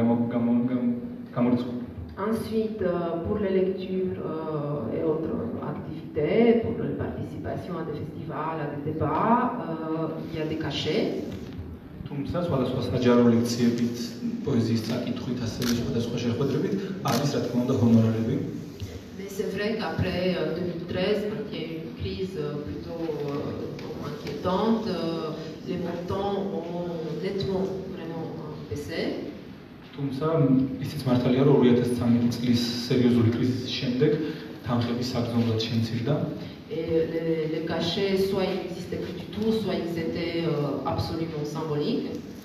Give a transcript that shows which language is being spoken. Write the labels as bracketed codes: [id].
[fr] Ensuite, pour les lectures et autres activités, pour les participations à des festivals, à des débats, il y a des cachets. [ka] თუმცა სხვადასხვა საჯარო ლექციებით, პოეზიის წაკითხვით, ასევე სხვადასხვა შეხვედრებით არის რა თქმა უნდა ჰონორარები. [fr] Mais c'est vrai qu'après 2013, quand il y a eu une crise plutôt inquiétante, les montants ont nettement vraiment baissé. [ka] თუმცა ისიც მართალია, რომ 2013 წლის სერიოზული კრიზისის შემდეგ თანხების საგზომბად შემცირდა. [fr] Les cachets, soit ils n'existaient plus du tout, soit ils étaient absolument symboliques.